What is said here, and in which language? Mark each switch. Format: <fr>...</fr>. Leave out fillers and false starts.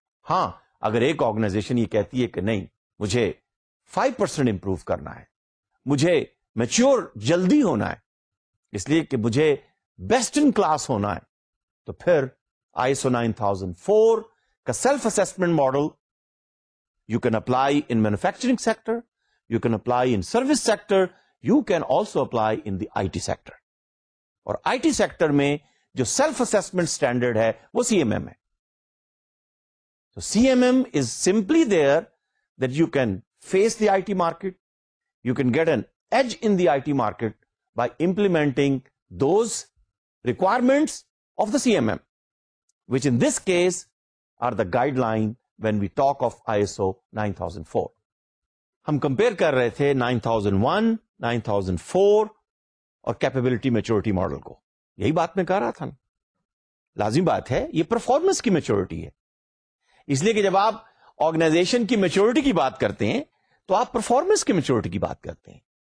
<ur>ہاں اگر ایک آرگنائزیشن یہ کہتی ہے کہ نہیں مجھے 5% امپروو کرنا ہے, مجھے میچیور جلدی ہونا ہے اس لیے کہ مجھے بیسٹ ان کلاس ہونا ہے, تو پھر آئی ایس او 9004 کا self assessment model</ur> <en>You can apply in manufacturing sector, you can apply in service sector, you can also apply in the I T sector.</en> <ur>اور آئی ٹی سیکٹر میں جو self assessment standard ہے وہ C M M ہے.</ur> <en>تو C M M is simply there that you can face the I T market, you can get an edge in the I T market by implementing those requirements of the C M M, which in this case are the guideline when we talk of I S O 9004.</en> <ur>ہم compare کر رہے تھے 9001, 9004 اور capability maturity model کو, یہی بات میں کہہ رہا تھا. لازمی بات ہے یہ پرفارمنس کی میچورٹی ہے, اس لیے کہ جب آپ آرگنائزیشن کی میچورٹی کی بات کرتے ہیں تو آپ پرفارمنس کی میچورٹی کی بات کرتے ہیں.</ur>